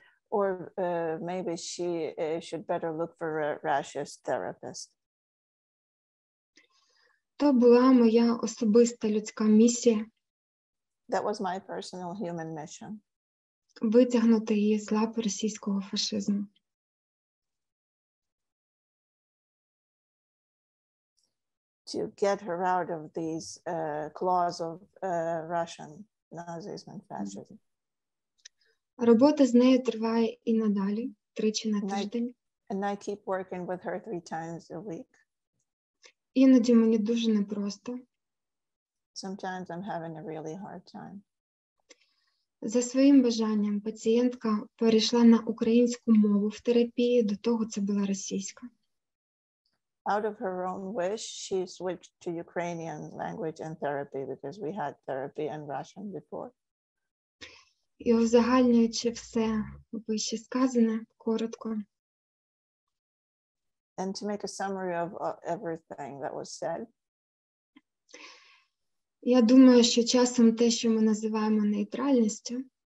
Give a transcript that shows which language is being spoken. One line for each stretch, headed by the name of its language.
English: Or maybe she should better look for a racist therapist.
Ukrainian: То була моя особиста людська місія.
English: That was my personal human mission.
Ukrainian: Витягнути її з лап російського фашизму.
English: To get her out of these claws of Russian Nazism and fascism.
Ukrainian: Робота з нею триває і надалі, тричі на тиждень.
English: And I keep working with her 3 times a week.
Ukrainian: Іноді мені дуже непросто.
English: Sometimes I'm having a really hard time.
Ukrainian: За своїм бажанням пацієнтка перейшла на українську мову в терапії, до того це була російська.
English: Out of her own wish, she switched to Ukrainian language and therapy because we had therapy in Russian before.
Ukrainian: І узагальнюючи все вище сказане, коротко.
English: And to make a summary of everything that was said.
Ukrainian: Я думаю, що часом те, що ми називаємо нейтральністю.